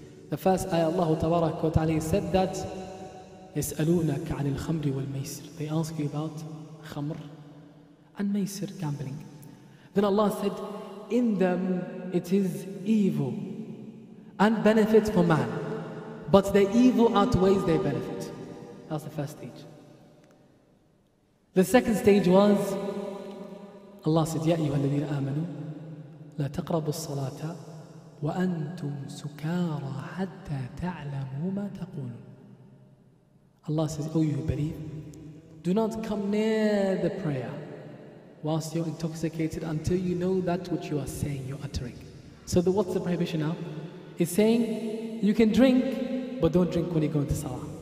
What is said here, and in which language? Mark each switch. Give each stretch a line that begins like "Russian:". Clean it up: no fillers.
English: The first ayah, Allah tabaraka wa ta'ala said that,
Arabic: يسألونك عن الخمر والميسر.
English: They ask you about khamr and maysir, gambling. Then Allah said, in them it is evil and benefit for man, but their evil outweighs their benefit. That's the first stage. The second stage was, Allah said,
Arabic: يَا أَيُّهَا الَّذِينَ آمَنُوا لَا تَقْرَبُوا الصَّلَاةَ وَأَنْتُمْ سُكَارَى حَتَّى تَعْلَمُوا مَا تَقُولُ.
English: Allah says, oh you believe, do not come near the prayer whilst you're intoxicated until you know that which you are saying, you're uttering. So what's the prohibition now? It's saying, you can drink, but don't drink when you go into salah.